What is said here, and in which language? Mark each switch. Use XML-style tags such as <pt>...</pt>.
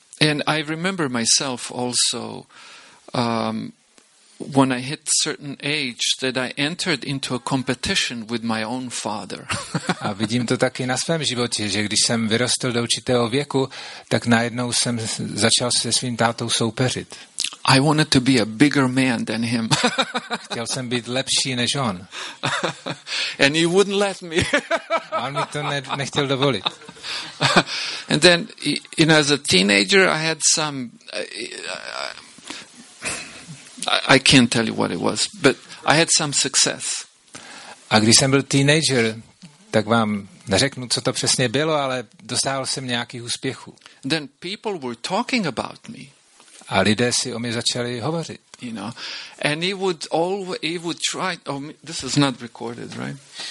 <en>And I remember myself also when I hit certain age that I entered into a competition with my own father.</en> <cs>A vidím to taky na svém životě, že když jsem vyrostl do určitého věku, tak najednou jsem začal se svým tátou soupeřit.</cs> <en>I wanted to be a bigger man than him.</en> <cs>Chtěl jsem být lepší než on.</cs> <en>And he wouldn't let me.</en> <cs>A on mi to nechtěl dovolit.</cs> <en>And then, you know, as a teenager, I had some... I can't tell you what it was, but I had some success.</en> <cs>A když jsem byl teenager, tak vám neřeknu, co to přesně bylo, ale dostával jsem nějakých úspěchů.</cs> <en>Then people were talking about me.</en> <cs>A lidé si o mě začali hovořit.</cs> <en>You know, and he would always, he would try, oh, this is not recorded, right?</en>